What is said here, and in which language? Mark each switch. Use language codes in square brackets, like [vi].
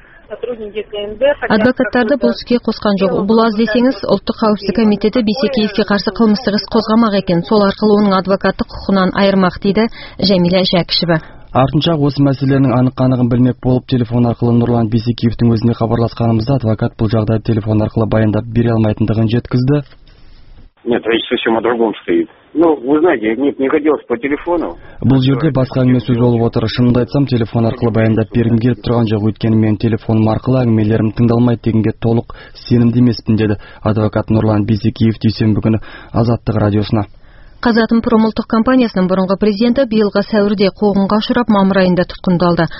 [kk] Адвокаттарды бұл іске қосқан жоқ. Бұл аз десеңіз, ұлттық қауіпсіздік комитеті Бисекеевке қарсы қылмыстық іс қозғамақ екен. Сол арқылы оның адвокаттық құқығынан айырмақ, дейді Жәмила Жәкішева. Артынша осы мәселенің анық-қанығын білмек болып телефон арқылы Нұрлан Бисекеевтің өзіне хабарласқанымызда адвокат бұл жағдайды телефон арқылы баяндап бере алмайтындығын жеткізді. [ru] Нет, речь совсем о другом стоит. Вы знаете, не хотелось по телефону. [kk] Бұл жерде басқа әңгіме сөз болып отыр. Шынымды айтсам, телефон арқылы баяндап бергім келіп тұрған жоқ. Өйткені мен телефоным арқылы әңгімелерім тыңдалмайды дегенге толық сенімді емеспін, деді адвокат Нұрлан Бисекеев дүйсенбі күні Азаттық радиосына. Қазатомпром ұлттық компаниясының бұрынғы президенті биылғы сәуірде қуғынға ұшырап, мамыр айында тұтқындалды.